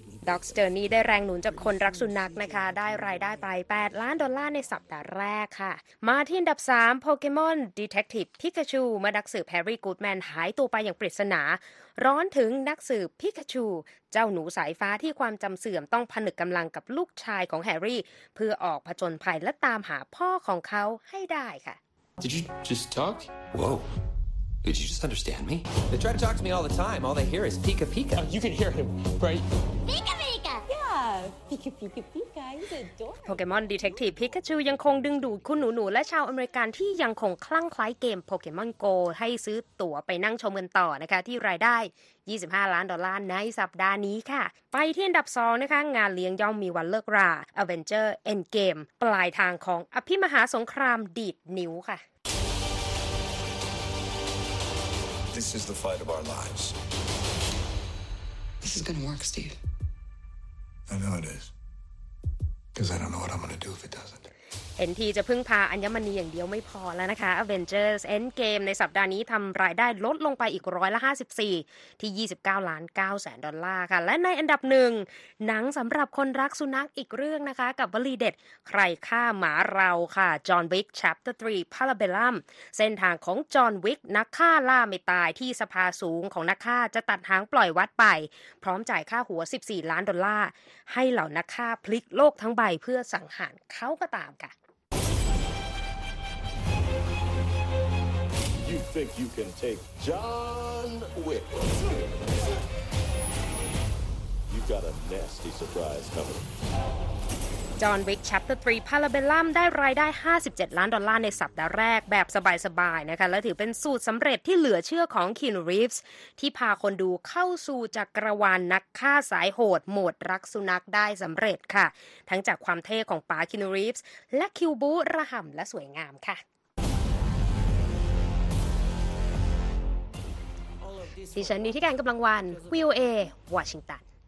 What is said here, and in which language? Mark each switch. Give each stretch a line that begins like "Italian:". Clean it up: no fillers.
Thai: ด็อกสเตอร์นี่ได้แรงหนุนจากคนรักสุนัขนะคะได้รายได้ไป8ล้านดอลลาร์ในสัปดาห์แรกค่ะมาที่อันดับ3โปเกมอนดีเทคทีฟพิกาชูเมื่อนักสืบแฮร์รี่กูดแมนหายตัวไปอย่างปริศนาร้อนถึงนักสืบพิกาชูเจ้าหนูสายฟ้าที่ความจำเสื่อมต้องผนึกกำลังกับลูกชายของแฮร์รี่เพื่อออกผจญภัยและตามหาพ่อของเขาให้ได้ค่ะ
English: Did you just talk? Whoa. Did you just understand me? They try to talk to me all the time. All they hear is Pika Pika. You can hear him, right? Pika Pika! Yeah, Pika Pika Pika. He's adorable.
Thai: Pokemon Detective Pikachu ยังคงดึงดูดคุณหนูๆและชาวอเมริกันที่ยังคงคลั่งคล้ายเกม Pokemon Go ให้ซื้อตั๋วไปนั่งชมกันต่อนะคะที่รายได้25ล้านดอลลาร์ในสัปดาห์นี้ค่ะไปที่อันดับ2นะคะงานเลี้ยงย่อมมีวันเลิกรา Avenger Endgame ปลายทางของอภิมหาสงครามดีดนิ้วค่ะ
English: This is the fight of our lives. This is gonna work, Steve. I know it is. Because I don't know what I'm gonna do if it doesn't.
Thai: เอ็นทีจะพึ่งพาอัญมณีอย่างเดียวไม่พอแล้วนะคะ Avengers Endgame ในสัปดาห์นี้ทำรายได้ลดลงไปอีก 54%ที่$29,900,000ค่ะและในอันดับ1หนังสำหรับคนรักสุนัขอีกเรื่องนะคะกับวลีเด็ดใครฆ่าหมาเราค่ะ John Wick Chapter 3 Parabellum เส้นทางของ John Wick นักฆ่าล่าไม่ตายที่สภาสูงของนักฆ่าจะตัดหางปล่อยวัดไปพร้อมจ่ายค่าหัว $14,000,000ให้เหล่านักฆ่าพลิกโลกทั้งใบเพื่อสังหารเขาก็ตามค่ะ
English: Think you can take John Wick? You got a nasty surprise coming.
Thai: John Wick Chapter 3 Parabellum ได้รายได้$57,000,000ในสัปดาห์แรกแบบสบายๆนะคะและถือเป็นสูตรสำเร็จที่เหลือเชื่อของ Keanu Reeves ที่พาคนดูเข้าสู่จักรวาลนักฆ่าสายโหดโหมดรักสุนัขได้สำเร็จค่ะทั้งจากความเท่ของป๋า Keanu Reeves และคิวบูระห่ำและสวยงามค่ะดิฉันนิธิการกำลังวันวิวเอวอชิงตัน